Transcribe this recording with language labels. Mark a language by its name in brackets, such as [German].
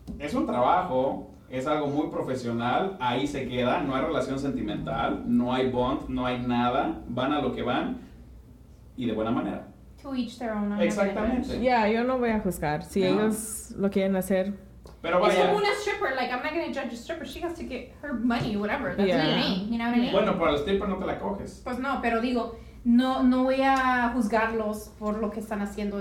[Spanish] Es un trabajo, es algo muy profesional, ahí se queda, no hay relación sentimental, no hay bond, no hay nada, van a lo que van y de buena manera. [English] To each their own. [Spanish] Exactamente. Yeah, yo no voy a juzgar si ellos lo quieren hacer. Pero vaya. Es como una stripper, [English] like, I'm not gonna judge a stripper, she has to get her money, whatever, that's what I mean, you know what I mean? [Spanish] Bueno, para el stripper no te la coges. Pues no, pero digo, No voy a juzgarlos por lo que están haciendo.